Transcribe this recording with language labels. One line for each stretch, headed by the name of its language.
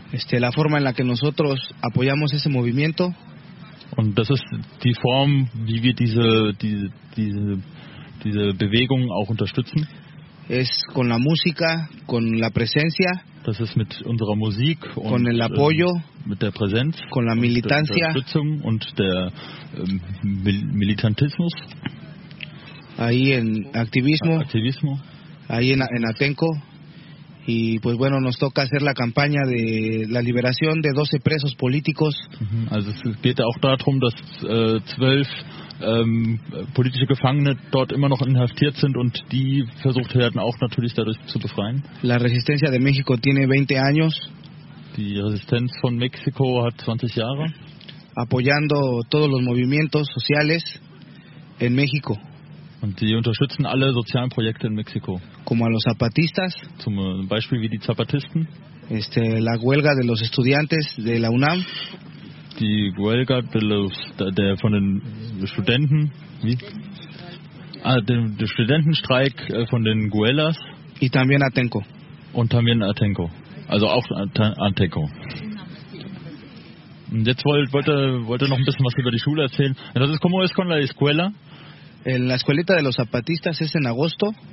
Spanish: La forma en la que nosotros apoyamos ese movimiento.
German: Und das ist die Form, wie wir diese Bewegung auch unterstützen.
Spanish: Es con la música, con la presencia.
German: Das ist mit unserer Musik und
Spanish: con el apoyo,
German: mit der Präsenz,
Spanish: con la militancia,
German: und der Unterstützung und der Militantismus.
Spanish: Ahí en Activismo. Ahí en Atenco. Y pues bueno, nos toca hacer la campaña de la liberación de 12 presos políticos.
German: Also es geht auch darum, dass 12 politische Gefangene dort immer noch inhaftiert sind und die versucht werden auch natürlich dadurch zu befreien.
Spanish: La Resistencia de México tiene 20 años.
German: Die Resistenz von Mexiko hat 20 Jahre.
Spanish: Apoyando todos los movimientos sociales en México.
German: Und die unterstützen alle sozialen Projekte in Mexiko.
Spanish: Como a los zapatistas.
German: Zum Beispiel wie die Zapatisten.
Spanish: La huelga de los estudiantes de la UNAM.
German: Die
Spanish: huelga de los,
German: der von den Studenten. Wie? Der Studentenstreik von den Guelas.
Spanish: Y también Atenco.
German: Und
Spanish: también
German: Atenco. Also auch Atenco. Und jetzt wollte noch ein bisschen was über die Schule erzählen. Das ist
Spanish: como es con la escuela. En la escuelita de los zapatistas es en agosto.